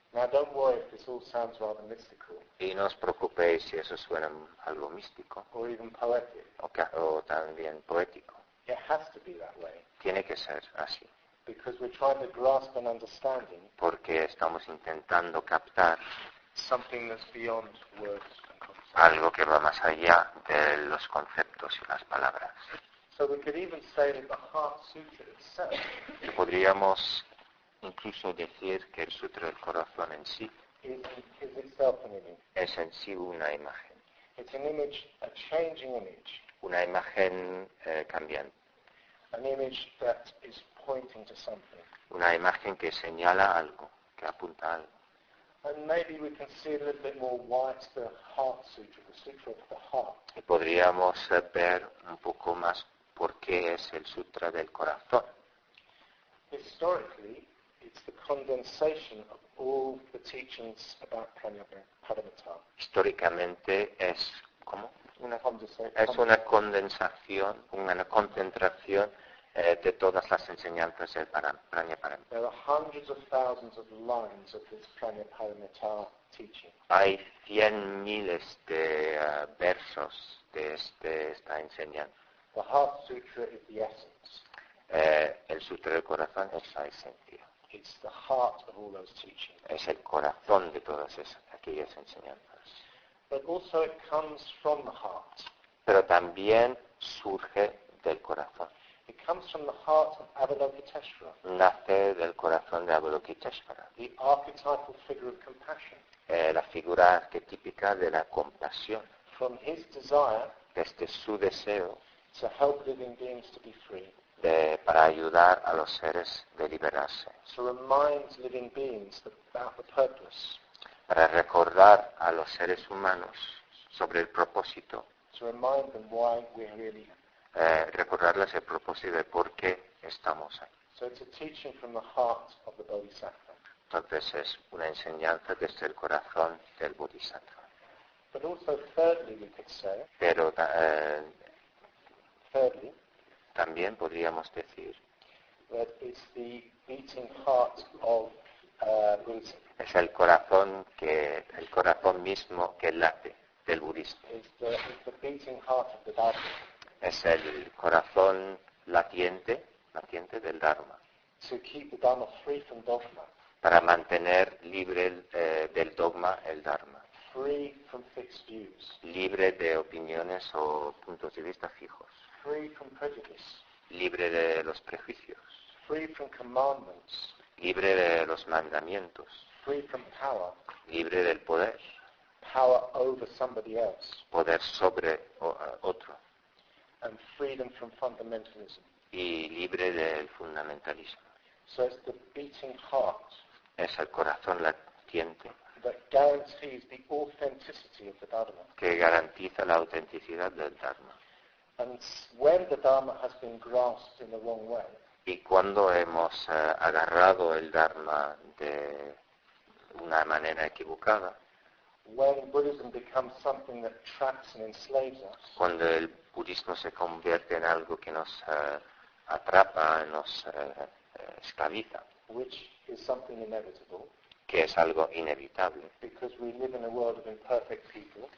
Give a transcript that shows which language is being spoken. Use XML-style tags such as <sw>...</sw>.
<en>Now don't worry if this all sounds rather mystical.</en> <es>Y no os preocupéis si eso suena algo místico.</es> <en>Or even poetic.</en> <es>O también poético.</es> <en>It has to be that way.</en> <es>Tiene que ser así.</es> <en>Because we're trying to grasp an understanding.</en> <es>Porque estamos intentando captar</es> <en>something that's beyond words.</en> <es>Algo que va más allá de los conceptos y las palabras.</es> <en>So we could even say that the Heart Sutra itself.</en> <es>Podríamos incluso decir que el Sutra del Corazón en sí</es> <en>is itself an image.</en> <es>Es en sí una imagen.</es> <en>It's an image, a changing image.</en> <es>Una imagen cambiante.</es> <en>An image that is pointing to something.</en> <es>Una imagen que señala algo, que apunta a algo.</es> <en>And maybe we can see a little bit more why it's the Heart Sutra, the Sutra of the Heart.</en> <es>Y podríamos ver un poco más por qué es el Sutra del Corazón.</es> <en>Historically, it's the condensation of all the teachings about Prajnaparamita.</en> <es>Históricamente es ¿cómo? Una concentración de todas las enseñanzas del Prajnaparamita.</es> <en>There are hundreds of thousands of lines of this Prajnaparamita teaching.</en> <es>Hay cien miles de versos de esta enseñanza.</es> <en>The Heart Sutra is the essence.</en> <es>El Sutra del Corazón es la esencia.</es> <en>It's the heart of all those teachings.</en> <es>Es el corazón de todas aquellas enseñanzas.</es> <en>But also it comes from the heart.</en> <es>Pero también surge del corazón.</es> <en>It comes from the heart of Avalokiteshvara.</en> <es>Nace del corazón de Avalokiteshvara.</es> <en>The archetypal figure of compassion.</en> <es>La figura arquetípica de la compasión.</es> <en>From his desire.</en> <es>Desde su deseo.</es> <en>To help living beings to be free.</en> <es>Para ayudar a los seres de liberarse.</es> <en>To remind living beings about the purpose.</en> <es>Para recordar a los seres humanos sobre el propósito.</es> <en>To remind them why we really.</en> <es>Recordarles el propósito de por qué estamos ahí.</es> <en>So it's a teaching from the heart of the Bodhisattva.</en> <es>Entonces es una enseñanza desde el corazón del Bodhisattva.</es> <en>But also thirdly we could say,</en> <es>pero</es> <en>thirdly,</en> <es>también podríamos decir</es> <en>that it's the beating heart of Buddhism.</en> <es>Es el corazón que el corazón mismo que late del budismo.</es> <en>It's the beating heart of the Dharma.</en> <es>Es el corazón latiente del Dharma.</es> <en>To keep the Dharma free from dogma.</en> <es>Para mantener libre del dogma el Dharma.</es> <en>Free from fixed views.</en> <es>Libre de opiniones o puntos de vista fijos.</es> <en>Free from prejudice.</en> <es>Libre de los prejuicios.</es> <en>Free from commandments.</en> <es>Libre de los mandamientos.</es> <en>Free from power.</en> <es>Libre del poder.</es> <en>Power over somebody else.</en> <es>Poder sobre otro.</es> <en>And freedom from fundamentalism.</en> <es>Y libre del fundamentalismo.</es> <en>So it's the beating heart.</en> <es>Es el corazón latiente.</es> <en>That guarantees the authenticity of the Dharma.</en> <es>Que garantiza la autenticidad del Dharma.</es> <en>And when the Dharma has been grasped in the wrong way.</en> <es>Y cuando hemos agarrado el Dharma de una manera equivocada.</es> <en>When Buddhism becomes something that traps and enslaves us.</en> <es>Cuando el budismo se convierte en algo que nos atrapa, nos esclaviza.</es> <en>Which is something inevitable.</en> <es>Que es algo inevitable.</es> <en>Because we live in a world of imperfect people.</en>